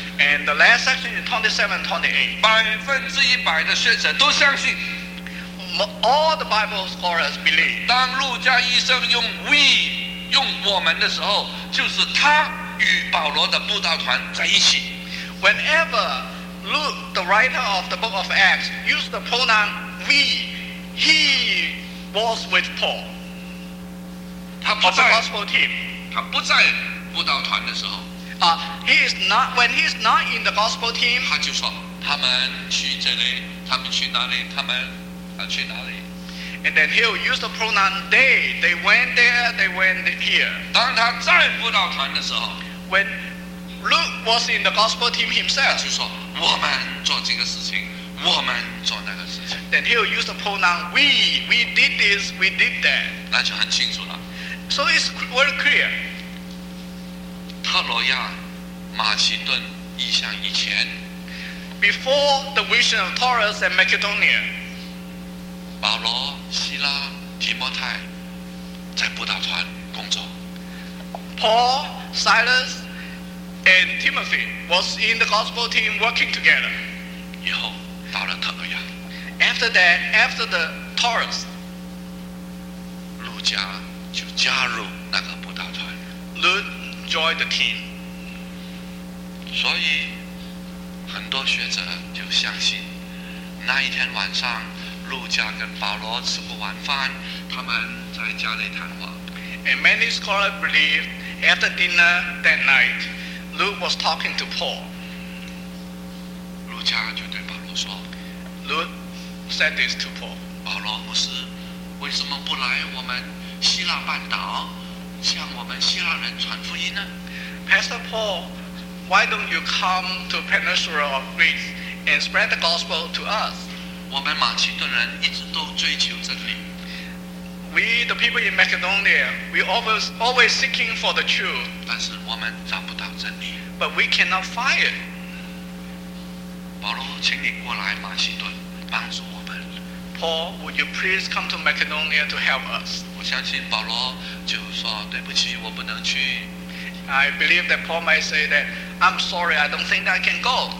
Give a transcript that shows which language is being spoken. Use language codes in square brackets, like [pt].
[en] And the last section is 27-28. [zh] 100% 的学者都相信。 [en] All the Bible scholars believe. [zh] 当路加医生用 we 用我们的时候，就是他与保罗的布道团在一起。 [en] Whenever Luke, the writer of the Book of Acts, used the pronoun we, he was with Paul. [zh] 他不在 [en] of the gospel team. [zh] 他不在布道团的时候 [en] when he is not in the gospel team [zh] 他就说他们去这里他们去哪里他去哪里 [en] and then he'll use the pronoun they went there they went here [zh] 当他在布道团的时候 [en] when Luke was in the gospel team himself [zh] 他就说我们做这个事情我们做那个事情 [en] then he'll use the pronoun we did this we did that [zh] 那就很清楚了 [en] So it's very clear. [zh] 特罗亚马其顿意象以前 [en] before the vision of Taurus and Macedonia, [zh] 保罗希拉提摩太在布道团工作 [en] Paul, Silas and Timothy was in the gospel team working together. [zh] 以后到了特罗亚 [en] after that, after the Taurus, [zh] 路加就加入那个布道团 [en] Luke joined the team. [zh] 所以很多学者就相信那一天晚上路加跟保罗吃过晚饭他们在家里谈话 [en] And many scholars believe after dinner that night Luke was talking to Paul. [zh] 路加就对保罗说 [en] Luke said this to Paul. [zh] 保罗牧师为什么不来我们希腊半岛向我们希腊人传福音呢 [en] Pastor Paul, why don't you come to Peninsula of Greece and spread the gospel to us? [zh] 我们马其顿人一直都追求真理 [en] We, the people in Macedonia, we always seeking for the truth. [zh] 但是我们找不到真理 [en] But we cannot find it. [zh] 保罗请你过来马其顿帮助我们 [en] Paul, would you please come to Macedonia to help us? [zh] 相信保罗就说对不起我不能去 [en] I believe that Paul might say that I'm sorry I don't think I can go